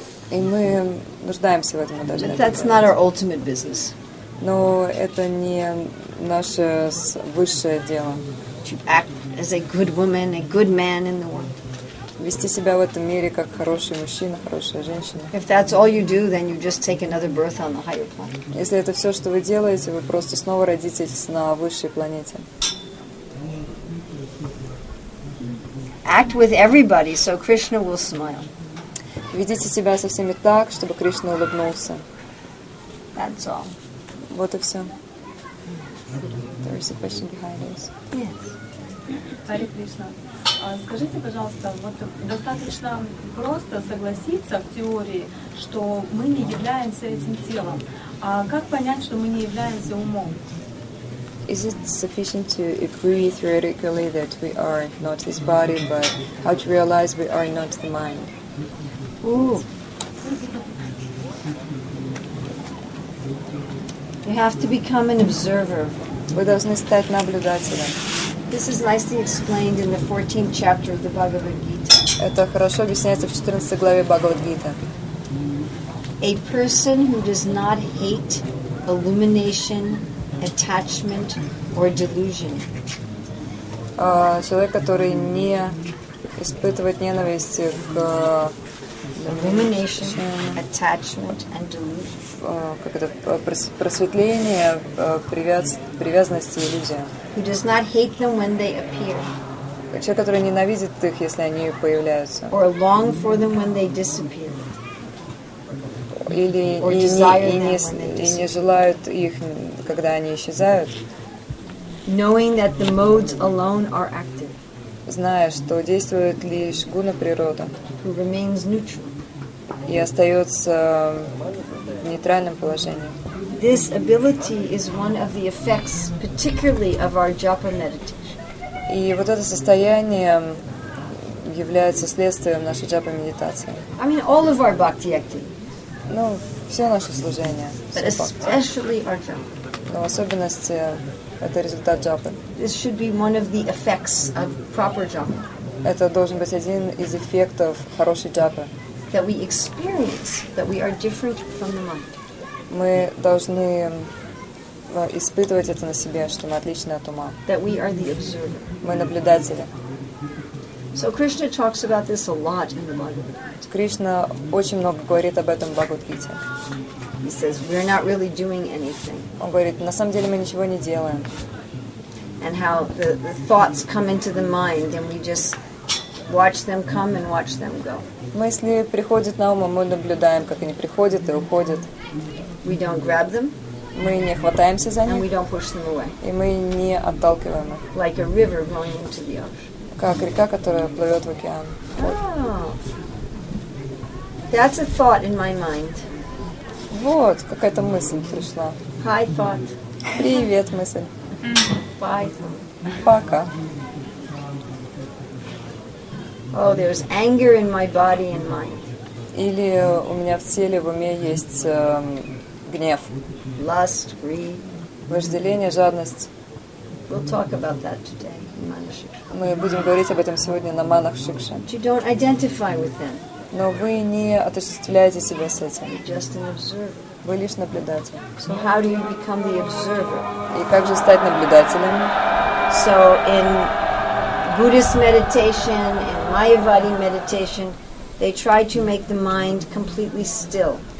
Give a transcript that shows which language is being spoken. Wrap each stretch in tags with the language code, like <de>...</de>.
<ru>И мы нуждаемся в этом.</ru> <en>But that's not our ultimate business.</en> <ru>Но это не наше высшее дело.</ru> <en>To act as a good woman, a good man in the world.</en> <ru>Вести себя в этом мире как хороший мужчина, хорошая женщина.</ru> <en>If that's all you do, then you just take another birth on the higher planet.</en> <ru>Если это все, что вы делаете, вы просто снова родитесь на высшей планете.</ru> <en>Act with everybody, so Krishna will smile.</en> <ru>Ведите себя со всеми так, чтобы Кришна улыбнулся.</ru> <en>That's all.</en> <ru>Вот и все.</ru> <en>There is a question behind us. Yes. Hare Krishna.</en> <ru>Скажите, пожалуйста, вот достаточно просто согласиться в теории, что мы не являемся этим телом. А как понять, что мы не являемся умом?</ru> <en>Is it sufficient to agree theoretically that we are not this body, but how to realize we are not the mind? Ooh. You have to become an observer.</en> <ru>Вы должны стать наблюдателем.</ru> <en>This is nicely explained in the 14th chapter of the Bhagavad Gita.</en> <ru>Это хорошо объясняется в 14 главе Бхагавад Гита.</ru> <en>A person who does not hate illumination, attachment, or delusion.</en> <ru>Человек, который не испытывает ненависти к</ru> <en>illumination, attachment, and delusion.</en> <ru>Как это просветление, привязанности и иллюзия.</ru> <en>Who does not hate them when they appear.</en> <ru>Человек, который ненавидит их, если они появляются.</ru> <en>Or long for them when they disappear.</en> <ru>Или не желают их, когда они исчезают.</ru> <en>Knowing that the modes alone are active.</en> <ru>Зная, что действует лишь гуна природа.</ru> <en>Who remains neutral.</en> <ru>И остается в нейтральном положении.</ru> <en>This ability is one of the effects, particularly of our japa meditation.</en> <ru>И вот это состояние является следствием нашей джапа медитации.</ru> <en>I mean, all of our bhakti activities.</en> <ru>Ну, все наше служение.</ru> <en>But especially our japa.</en> <ru>Но в особенности это результат джапы.</ru> <en>This should be one of the effects of proper japa.</en> <ru>Это должен быть один из эффектов хорошей джапы.</ru> <en>That we experience that we are different from the mind.</en> <ru>Мы должны испытывать это на себе, что мы отличны от ума.</ru> <en>That we are the observer.</en> <ru>Мы наблюдатели.</ru> <en>So Krishna talks about this a lot in the Bhagavad Gita.</en> <ru>Кришна очень много говорит об этом в Бхагавад-гите.</ru> <en>He says we are not really doing anything.</en> <ru>Он говорит, на самом деле мы ничего не делаем.</ru> <en>And how the thoughts come into the mind and we just watch them come and watch them go.</en> <ru>Мысли приходят на ум, мы наблюдаем, как они приходят и уходят.</ru> <en>We don't grab them.</en> <ru>Мы не хватаемся за них.</ru> <en>And we don't push them away.</en> <ru>И мы не отталкиваем их.</ru> <en>Like a river going into the ocean.</en> <ru>Как река, которая плывет в океан.</ru> <en>Oh. That's a thought in my mind.</en> <ru>Вот, какая-то мысль пришла.</ru> <en>Hi, thought.</en> <ru>Привет, мысль.</ru> <en>Bye.</en> <ru>Пока.</ru> <en>Oh, there's anger in my body and mind.</en> <ru>Или у меня в теле, в уме есть гнев.</ru> <en>Lust, greed.</en> <ru>Вожделение, жадность.</ru> <en>We'll talk about that today in Manashiksha.</en> <ru>Мы будем говорить об этом сегодня на Манахшикше.</ru> <en>But you don't identify with them.</en> <ru>Но вы не отождествляете себя с этим.</ru> <en>You're just an observer.</en> <ru>Вы лишь наблюдатель.</ru> <en>So how do you become the observer?</en> <ru>И как же стать наблюдателем?</ru> <en>So in Buddhist meditation and Mayavadi meditation, they try to make the mind completely still.</en>